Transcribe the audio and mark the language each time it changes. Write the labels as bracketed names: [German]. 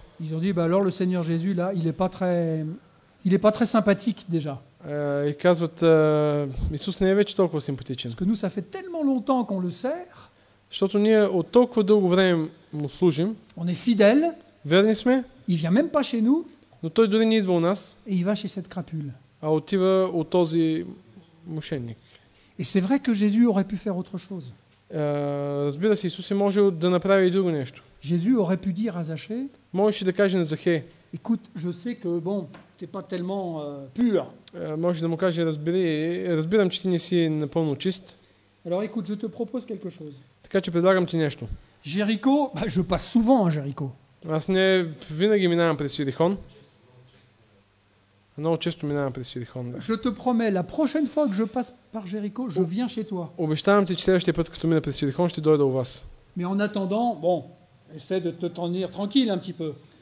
[French] Ils ont dit, bah alors le Seigneur Jésus là, il est pas très, sympathique déjà. [Bulgarian] И казват, Исус не е вече толкова симпатичен. [French] Parce que nous ça fait tellement longtemps qu'on le sert. [Bulgarian] Защото ние от толкова дълго време му служим. [French] On est fidèle. [Bulgarian] Верни сме. [French] Il vient même pas chez nous. [Bulgarian] Но той дори не идва у нас. [French] Et il va chez cette crapule. [Bulgarian] А отива от този мошенник. [French] Et c'est vrai que Jésus aurait pu faire autre chose. [Bulgarian] Разбира се, Исус е можел да направи и друго нещо. [French] Jésus aurait pu dire à Zaché. [Bulgarian] Можеше да каже на Захей. [French] Écoute, je sais que bon, t'es pas tellement pur. [Bulgarian] Може да му каже, разбирам, че ти не си напълно чист. [French] Alors écoute, je te propose quelque chose. [Bulgarian] Така че предлагам ти нещо. [French] Jéricho, bah je passe souvent à Jéricho. [Bulgarian] Аз не винаги минавам през Ерихон. Много често минавам през Ерихон. Да. [French] Je te promets, la prochaine fois que je passe par Jéricho, je viens chez toi. [Bulgarian] Обещавам ти, че следващия път, като мина през Ерихон, ще дойда у вас. [French] Mais en attendant, bon, essaie de te tenir tranquille un petit peu.